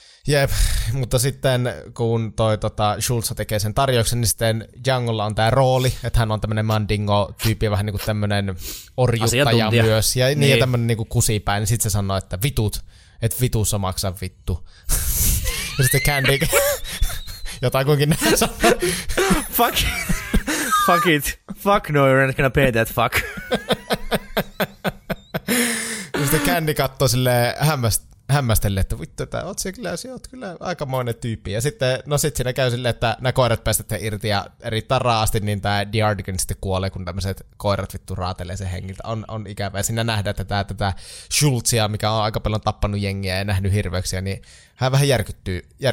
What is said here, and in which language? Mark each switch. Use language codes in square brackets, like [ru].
[fi] Jep, mutta sitten kun toi Schultz tekee sen tarjouksen, niin sitten Jungolla on tämä rooli, että hän on tämmöinen Mandingo-tyyppi, vähän niin kuin tämmöinen orjuttaja myös, ja niin. Ja tämmöinen niin kuin kusipäin, niin sitten se sanoo, että vitut, että vitussa maksaa vittu. Ja sitten Candy, jotain kuinkin näin sanoo. [en] Fuck it, fuck it, fuck no, you're not gonna pay that fuck. [fi] Ja sitten Candy kattoo silleen hämmästelle, että vittu, että oot siellä kyllä, sä oot kyllä aikamoinen tyyppi. Ja sitten, no sit siinä käy silleen, että nämä koirat päästetään irti ja erittäin raasti, niin tämä Diardigan sitten kuolee, kun tämmöiset koirat vittu raatelee sen hengiltä. On ikävä. Ja siinä nähdään tätä Schultzia, mikä on aika paljon tappanut jengiä ja nähnyt hirveyksiä, niin hän vähän järkyttyy